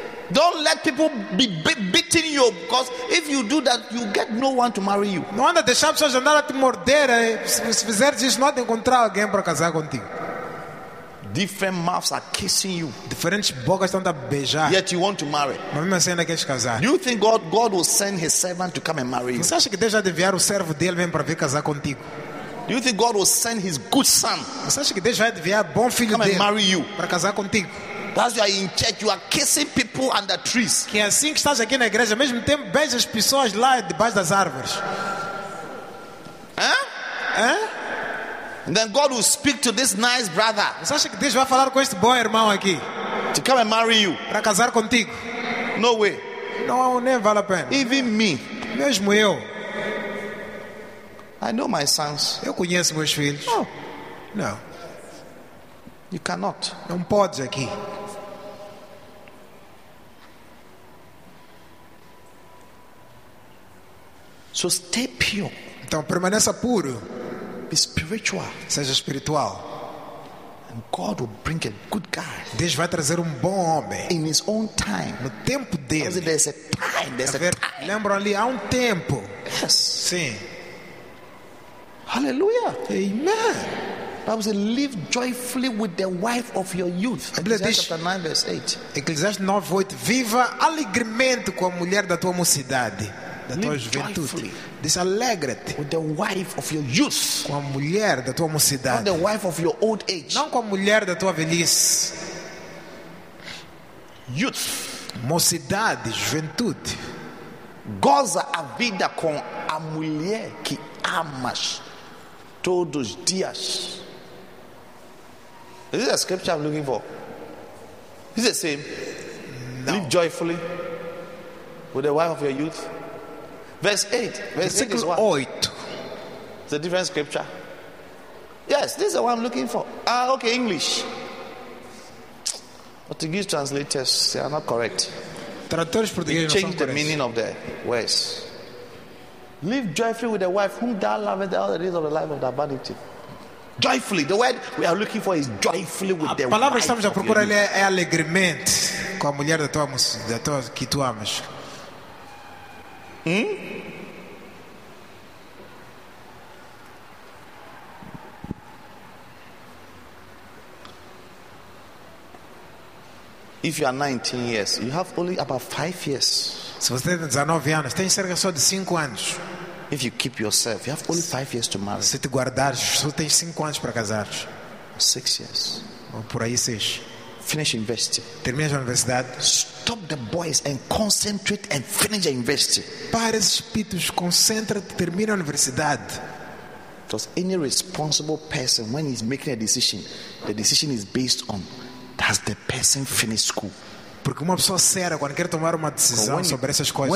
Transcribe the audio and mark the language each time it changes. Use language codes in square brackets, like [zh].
[en] Don't let people be beating you, because if you do that, you get no one to marry you. [pt] Não anda deixar pessoas andar a te morder. Se fizer isso, não encontrar alguém para casar contigo. [en] Different mouths are kissing you. [pt] Diferentes bocas estão a beijar. [en] Yet you want to marry. [pt] Mas mesmo assim ainda queres casar. [en] You think God will send His servant to come and marry you? [pt] Você acha que Deus já enviar o servo dele mesmo para vir casar contigo? [en] Do you think God will send His good son? [pt] Você acha que Deus vai enviar bom filho dele? [en] Come and marry you. [pt] Para casar contigo. [en] As you are in church, you are kissing people under trees. [pt] Que é assim que estás aqui na igreja, mesmo tempo beijas pessoas lá debaixo das árvores. [en] Then God will speak to this nice brother. [pt] Você acha que Deus vai falar com este bom irmão aqui? [en] To come and marry you. [pt] Para casar contigo. [en] No way. [pt] Não, nem vale a pena. [en] Even me. [pt] Mesmo eu. [en] I know my sons. [pt] Eu conheço meus filhos. Oh. [en] No. You cannot. [pt] Não podes aqui. [en] So stay pure. [pt] Então permaneça puro. [en] Be spiritual. [pt] Seja espiritual. [en] And God will bring a good guy. [pt] Deus vai trazer bom homem. [en] In His own time. [pt] No tempo dele. [en] Because there's a time. There's a time. [pt] Lembram ali, há tempo. [en] Yes. [pt] Sim. [en] Hallelujah. Amen. Bible says, "Live joyfully with the wife of your youth." Ecclesiastes chapter 9, verse 8. Ecclesiastes 9:8. [pt] Viva alegremente com a mulher da tua mocidade, da tua juventude. Desalegra-te [en] with the wife of your youth. [pt] Com a mulher da tua mocidade. [en] Not the wife of your old age. [pt] Não com a mulher da tua velhice. [en] Youth, [pt] mocidade, juventude. Goza a vida com a mulher que amas todos os dias. [en] Is this a scripture I'm looking for? Is it the same? No. Live joyfully with the wife of your youth. Verse 8. Verse 8 is what? 8. It's a different scripture. Yes, this is what I'm looking for. Okay, English. Portuguese translators, they are not correct. [pt] Tradutores portugueses não [en] change the meaning of the words. Live joyfully with the wife whom thou lovest all the days of the life of thy vanity. Joyfully, the word we are looking for is joyfully with the wife. [pt] A palavra que estamos a procurar ali é alegremente com a mulher da tua que tu amas. [en] If you are 19 years, you have only about 5 years. [pt] Se você tem 19 anos, tem cerca só de 5 anos. [en] If you keep yourself, you have only 5 years to marry. [pt] Se te guardares, só tens 5 anos para casar. [en] 6 years. [pt] Ou por aí 6. [en] Finish university. [pt] Termina a universidade. [en] Stop the boys and concentrate and finish the university. [pt] Para esses espíritos, concentra-te, termina a universidade. [en] Because any responsible person, when he's making a decision, the decision is based on, does the person finish school? [pt] Porque uma pessoa séria, quando quer tomar uma decisão sobre essas coisas,